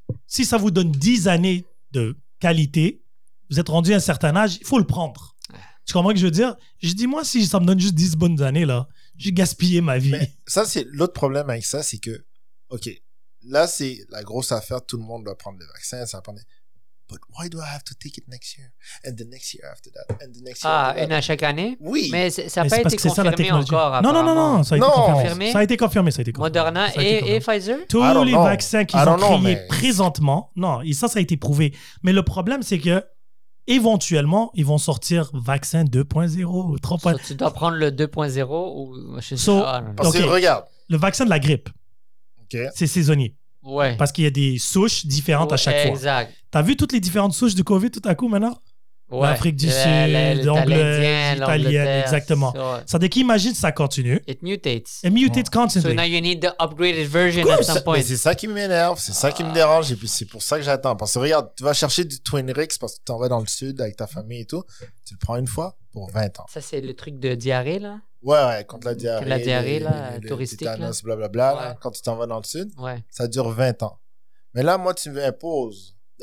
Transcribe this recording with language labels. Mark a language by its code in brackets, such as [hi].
[fr] Si ça vous donne 10 années de qualité, vous êtes rendu à un certain âge, il faut le prendre. Tu comprends ce que je veux dire? Je dis, moi, si ça me donne juste 10 bonnes années, là, j'ai gaspillé ma vie. Mais ça, c'est l'autre problème avec ça, c'est que, OK, là, c'est la grosse affaire, tout le monde doit prendre le vaccin, ça va prendre... [en] But why do I have to take it next year? And the next year after that? And the next year after that? [fr] Ah, une à chaque année? Oui. Mais ça n'a pas été confirmé encore, apparemment. Non. Ça a été confirmé. Moderna et Pfizer? Tous les vaccins qu'ils ont créés présentement, non, et ça a été prouvé. Mais le problème, c'est que, éventuellement, ils vont sortir vaccin 2.0 ou 3.0. So, tu dois prendre le 2.0 ou... Regarde. Le vaccin de la grippe, c'est saisonnier. Ouais. Parce qu'il y a des souches différentes à chaque fois. Exact. T'as vu toutes les différentes souches de COVID tout à coup maintenant? Ouais. L'Afrique du Sud, l'italienne, exactement. So, ça veut dire qu'imagine si ça continue. [en] It mutates constantly. So now you need the upgraded version at some point. [fr] Mais c'est ça qui m'énerve, c'est ça qui me dérange, et puis c'est pour ça que j'attends. Parce que regarde, tu vas chercher du Twinrix parce que tu t'en vas dans le sud avec ta famille et tout. Tu le prends une fois pour 20 ans. Ça, c'est le truc de diarrhée, là? Ouais, contre la diarrhée. La diarrhée, les touristique. Les tétanos, blablabla. Ouais. Quand tu t'en vas dans le sud, ouais. Ça dure 20 ans. Mais là, moi, tu m'imposes.